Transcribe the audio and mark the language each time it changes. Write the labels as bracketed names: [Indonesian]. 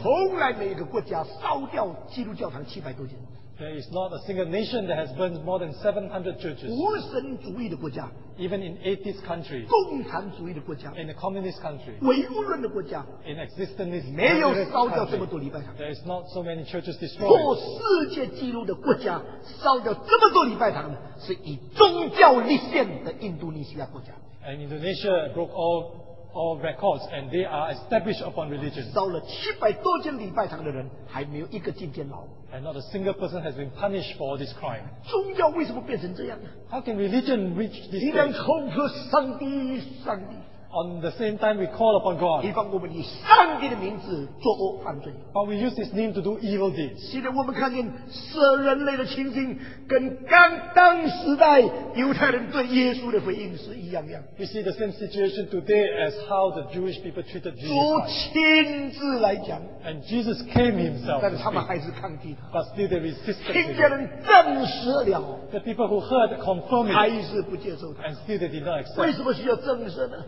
[Chinese] 从来没有一个国家烧掉基督教堂700多间。 [English] There is not a single nation that has burned more than 700 churches. [Chinese] 无神主义的国家, [English] even in atheist countries, [Chinese] 共产主义的国家, [English] in a communist country, [Chinese] 唯物论的国家, [English] in existentist, [Chinese] 没有烧掉这么多礼拜堂, [English] there is not so many churches destroyed. [Chinese] 破世界纪录的国家, 烧掉这么多礼拜堂, 是以宗教立宪的印度尼西亚国家。 [English] And Indonesia broke all records, and they are established upon religion. [Chinese] 烧了700多间礼拜堂的人, 还没有一个进监牢。 [English] And not a single person has been punished for all this crime. [Chinese] 宗教为什么变成这样? [English] How can religion reach this point? [Chinese] 你能口说上帝, 上帝, [English] On the same time, we call upon God. [Chinese] 以上我们以上帝的名字作恶犯罪。 [English] But we use His name to do evil deeds. [Chinese] 现在我们看见，舍人类的情形，跟当时代犹太人对耶稣的回应是一样样。 [English] You see the same situation today as how the Jewish people treated Jesus. [Chinese] 主亲自来讲。 [English] And Jesus came Himself. [Chinese] 但是他们还是抗拒他。 [English] But still they resisted. [Chinese] 听见人证实了。 [English] The people who heard confirmed it. [Chinese] 还是不接受他。 [English] And still they did not accept. [Chinese] 为什么需要证实呢？